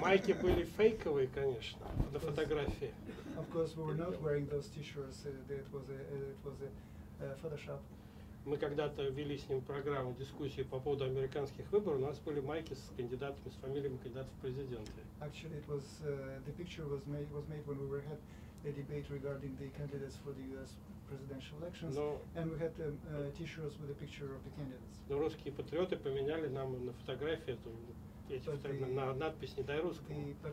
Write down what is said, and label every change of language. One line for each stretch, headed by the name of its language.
Russian: Майки были фейковые, конечно, на фотографии.
English: Of course, we were not wearing those t-shirts. It was a Photoshop.
Russian: Мы когда-то вели с ним программу дискуссии по поводу американских выборов. У нас были майки с кандидатами, с фамилиями кандидатов в президенты.
English: Actually, it was the picture was made when we had a debate regarding the candidates for the U.S. presidential elections, and we had t-shirts with a picture of the candidates.
Russian: Но русские патриоты поменяли нам на фотографии эту на надпись «Не дай русскому».